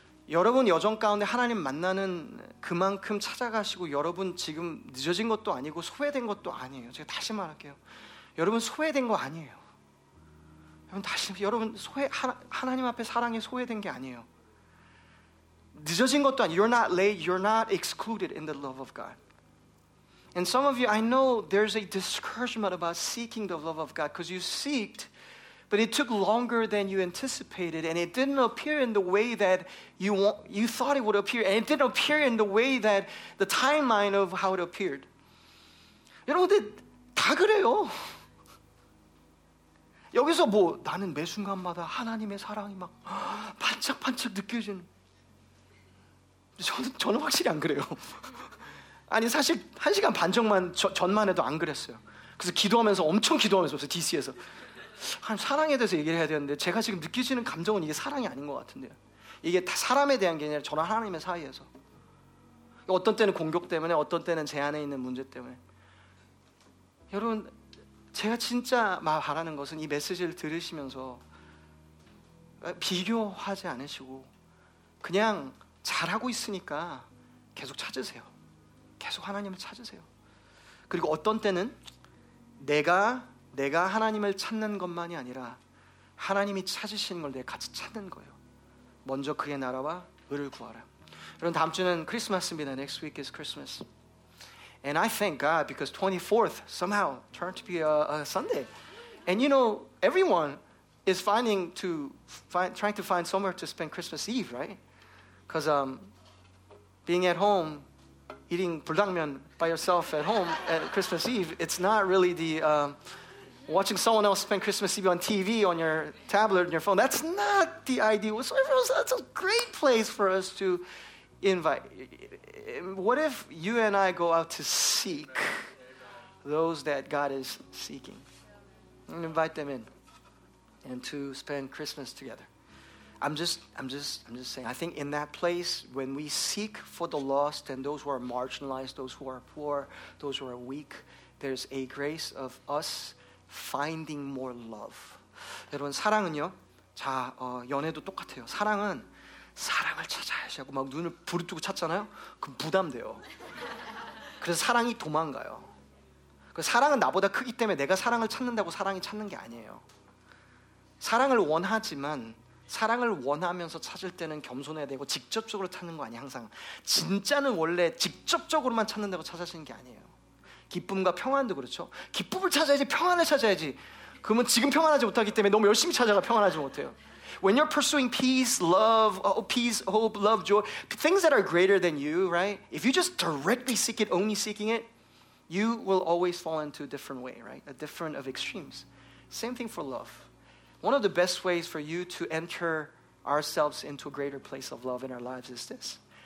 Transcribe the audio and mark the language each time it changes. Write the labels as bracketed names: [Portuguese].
[Korean] 여러분 여정 가운데 하나님 만나는 그만큼 찾아가시고 여러분 지금 늦어진 것도 아니고 소외된 것도 아니에요. 제가 다시 말할게요. 여러분 소외된 거 아니에요. 여러분 소외 하나님 앞에 사랑이 소외된 게 아니에요. 늦어진 것도 아니에요. [English] You're not late. You're not excluded in the love of God. And some of you, I know there's a discouragement about seeking the love of God because you seeked, but it took longer than you anticipated, and it didn't appear in the way that you thought it would appear, and it didn't appear in the way that the timeline of how it appeared. [Korean] 여러분, 다 그래요. 여기서 뭐 나는 매 순간마다 하나님의 사랑이 막 반짝반짝 느껴지는 저는 확실히 안 그래요. 아니 사실 한 시간 반 전만 해도 안 그랬어요. 그래서 기도하면서 엄청 기도하면서 DC에서 하나님 사랑에 대해서 얘기를 해야 되는데 제가 지금 느끼시는 감정은 이게 사랑이 아닌 것 같은데요. 이게 다 사람에 대한 게 아니라 저랑 하나님의 사이에서 어떤 때는 공격 때문에 어떤 때는 제 안에 있는 문제 때문에 여러분 제가 진짜 바라는 것은 이 메시지를 들으시면서 비교하지 않으시고 그냥 잘하고 있으니까 계속 찾으세요. 계속 하나님을 찾으세요. 그리고 어떤 때는 내가 하나님을 찾는 것만이 아니라 하나님이 찾으시는 걸 내가 같이 찾는 거예요. 먼저 그의 나라와 의를 구하라. 여러분 다음 주는 크리스마스입니다. [English] Next week is Christmas. And I thank God because 24th somehow turned to be a Sunday. And you know, everyone is trying to find somewhere to spend Christmas Eve, right? Because being at home, eating 불당면 by yourself at home at Christmas Eve, it's not really the watching someone else spend Christmas Eve on TV, on your tablet, on your phone. That's not the idea. So everyone's, that's a great place for us to invite. What if you and I go out to seek those that God is seeking? And invite them in and to spend Christmas together. I'm just saying, I think in that place, when we seek for the lost and those who are marginalized, those who are poor, those who are weak, there's a grace of us finding more love. [Korean] 여러분, 사랑은요, 자, 연애도 똑같아요. 사랑은 사랑을 찾아야지 하고 막 눈을 부릅뜨고 찾잖아요. 그럼 부담돼요. 그래서 사랑이 도망가요. 그 사랑은 나보다 크기 때문에 내가 사랑을 찾는다고 사랑이 찾는 게 아니에요. 사랑을 원하지만 사랑을 원하면서 찾을 때는 겸손해야 되고 직접적으로 찾는 거 아니에요. 항상 진짜는 원래 직접적으로만 찾는다고 찾으시는 게 아니에요. 기쁨과 평안도 그렇죠. 기쁨을 찾아야지 평안을 찾아야지. 그러면 지금 평안하지 못하기 때문에 너무 열심히 찾아가 평안하지 못해요. [English] When you're pursuing peace, love, peace, hope, love, joy, things that are greater than you, right? If you just directly seek it, only seeking it, you will always fall into a different way, right? A different of extremes. Same thing for love. One of the best ways for you to enter ourselves into a greater place of love in our lives is this.